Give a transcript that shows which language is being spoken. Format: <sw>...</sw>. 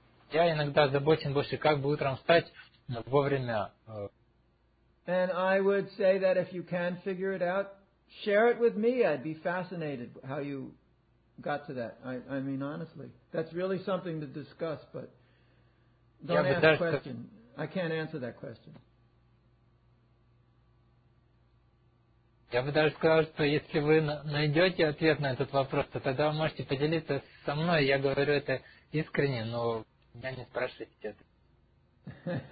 <ru>Я иногда озабочен больше, как бы утром встать вовремя.</ru> <en>And I would say that if you can figure it out, share it with me. I'd be fascinated how you got to that. I mean, honestly, that's really something to discuss, but don't ask that question. I can't answer that question.</en> <ru>Я бы даже сказал, что если вы найдете ответ на этот вопрос, то тогда вы можете поделиться со мной. Я говорю это искренне, но меня не спрашивайте это.</ru>